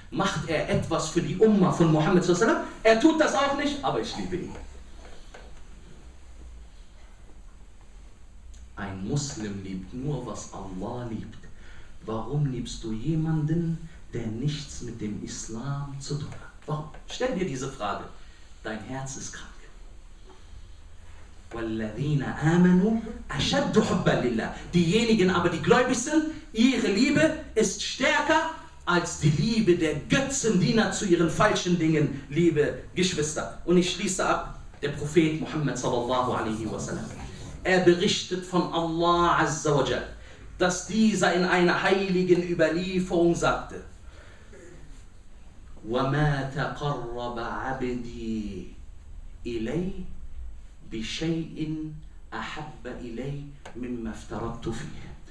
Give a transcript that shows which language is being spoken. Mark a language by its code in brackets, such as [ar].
[de] Macht er etwas für die Umma von Mohammed sallallahu alaihi wasallam? Er tut das auch nicht, aber ich liebe ihn. Ein Muslim liebt nur, was Allah liebt. Warum liebst du jemanden, der nichts mit dem Islam zu tun hat? Warum? Stell dir diese Frage. Dein Herz ist krank. [ar] والذين آمنوا أشد حبا لله. [de] Diejenigen aber, die gläubig sind, ihre Liebe ist stärker als die Liebe der Götzendiener zu ihren falschen Dingen, liebe Geschwister. Und ich schließe ab, der Prophet Muhammad sallallahu alaihi wasallam, er berichtet von Allah azza wa jal, dass dieser in einer heiligen Überlieferung sagte: [ar] وَمَا تَقَرَّبَ عَبْدِي إِلَيْهِ بِشَيْءٍ أَحَبَّ إِلَيْهِ مِمَّا افْتَرَبْتُ فِيهِ.